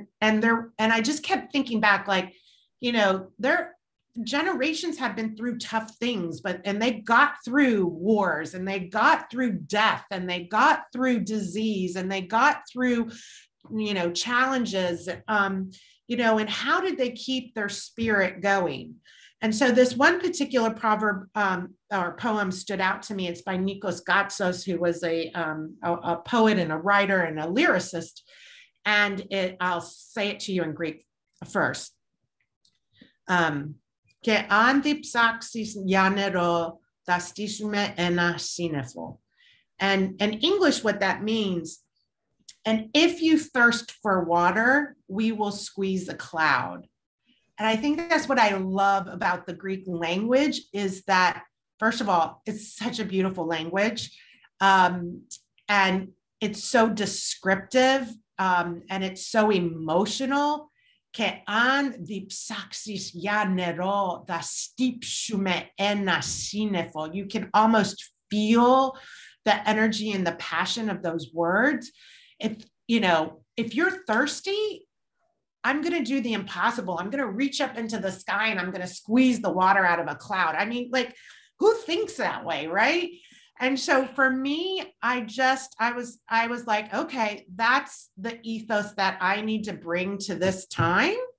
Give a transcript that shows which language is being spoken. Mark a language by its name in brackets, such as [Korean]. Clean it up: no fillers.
[English] And I just kept thinking back, like, you know, their generations have been through tough things, and they got through wars and they got through death and they got through disease and they got through, you know, challenges, you know, and how did they keep their spirit going? And so this one particular proverb or poem stood out to me. It's by Nikos Gatsos, who was a poet and a writer and a lyricist. And it, I'll say it to you in Greek first. [Greek] Και αν διψάξεις για νερό, θα στήσουμε ένα σύννεφο. [English] And in English, what that means, and if you thirst for water, we will squeeze a cloud. And I think that's what I love about the Greek language is that, first of all, it's such a beautiful language. And it's so descriptive and it's so emotional. [Greek] Και αν διψάξεις για νερό, θα στύψουμε ένα σύννεφο. [English] You can almost feel the energy and the passion of those words. If, you know, if you're thirsty, I'm going to do the impossible. I'm going to reach up into the sky and I'm going to squeeze the water out of a cloud. I mean, like, who thinks that way, right? And so for me, I was like, okay, that's the ethos that I need to bring to this time.